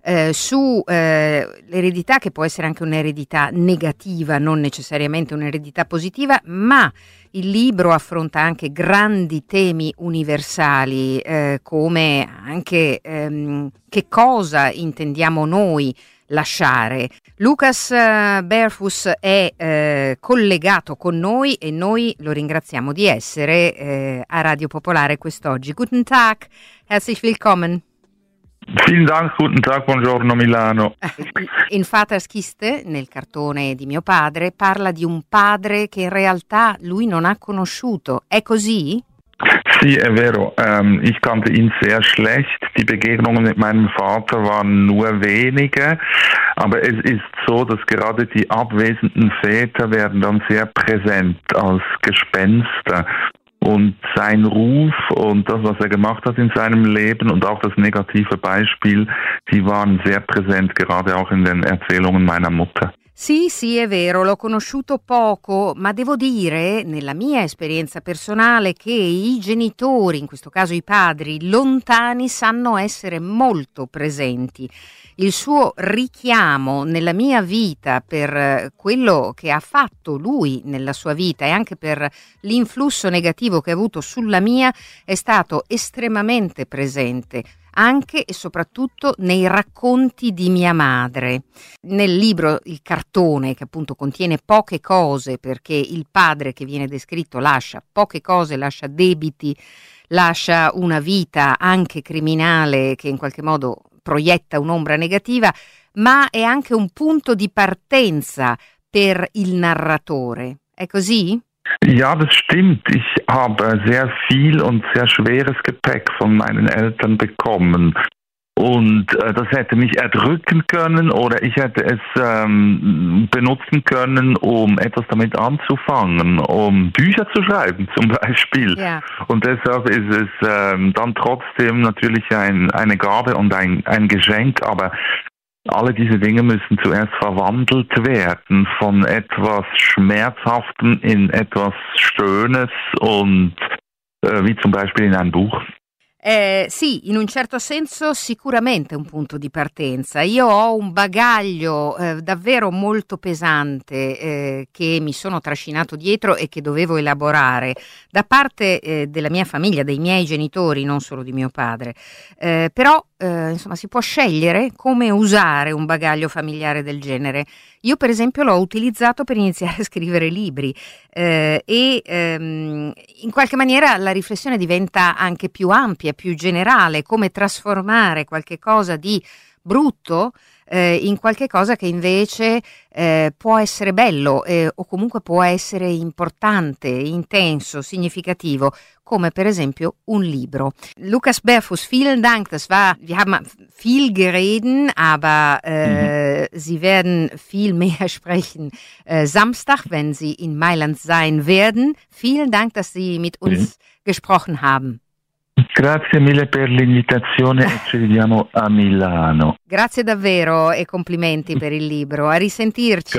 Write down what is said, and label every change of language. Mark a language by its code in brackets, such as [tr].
[it] sull'eredità che può essere anche un'eredità negativa, non necessariamente un'eredità positiva, ma il libro affronta anche grandi temi universali come anche che cosa intendiamo noi lasciare. Lucas Berfus è collegato con noi e noi lo ringraziamo di essere a Radio Popolare quest'oggi. [de] Guten Tag, herzlich willkommen. Vielen Dank, guten Tag, [it] buongiorno Milano. In Vaters Kiste, nel cartone di mio padre, parla di un padre che in realtà lui non ha conosciuto. È così? Sì, è vero. [de] Ich kannte ihn sehr schlecht. Die Begegnungen mit meinem Vater waren nur wenige. Aber es ist so, dass gerade die abwesenden Väter werden dann sehr präsent als Gespenster. Und sein Ruf und das, was er gemacht hat in seinem Leben und auch das negative Beispiel, die waren sehr präsent, gerade auch in den Erzählungen meiner Mutter. [it] Sì, sì, è vero, l'ho conosciuto poco, ma devo dire, nella mia esperienza personale, che i genitori, in questo caso i padri, lontani, sanno essere molto presenti. Il suo richiamo nella mia vita per quello che ha fatto lui nella sua vita e anche per l'influsso negativo che ha avuto sulla mia è stato estremamente presente. Anche e soprattutto nei racconti di mia madre. Nel libro Il cartone, che appunto contiene poche cose, perché il padre che viene descritto lascia poche cose, lascia debiti, lascia una vita anche criminale che in qualche modo proietta un'ombra negativa, ma è anche un punto di partenza per il narratore. È così? [de] Ja, das stimmt. Ich habe sehr viel und sehr schweres Gepäck von meinen Eltern bekommen. Und das hätte mich erdrücken können oder ich hätte es benutzen können, um etwas damit anzufangen, um Bücher zu schreiben zum Beispiel. Ja. Und deshalb ist es dann trotzdem natürlich eine Gabe und ein Geschenk, aber alle diese Dinge müssen zuerst verwandelt werden von etwas Schmerzhaftem in etwas Schönes und wie zum Beispiel in ein Buch. [it] Sì, in un certo senso sicuramente un punto di partenza. Io ho un bagaglio davvero molto pesante che mi sono trascinato dietro e che dovevo elaborare da parte della mia famiglia, dei miei genitori, non solo di mio padre. Però, insomma, si può scegliere come usare un bagaglio familiare del genere. Io, per esempio, l'ho utilizzato per iniziare a scrivere libri in qualche maniera la riflessione diventa anche più ampia, più generale, come trasformare qualche cosa di brutto in qualche cosa che invece può essere bello o comunque può essere importante, intenso, significativo, come per esempio un libro. [de] Lucas Berfus, vielen Dank, das war, wir haben viel gereden, aber Sie werden viel mehr sprechen Samstag, wenn Sie in Mailand sein werden. Vielen Dank, dass Sie mit uns gesprochen haben. [it] Grazie mille per l'invitazione e ci vediamo a Milano. Grazie davvero e complimenti per il libro. A risentirci.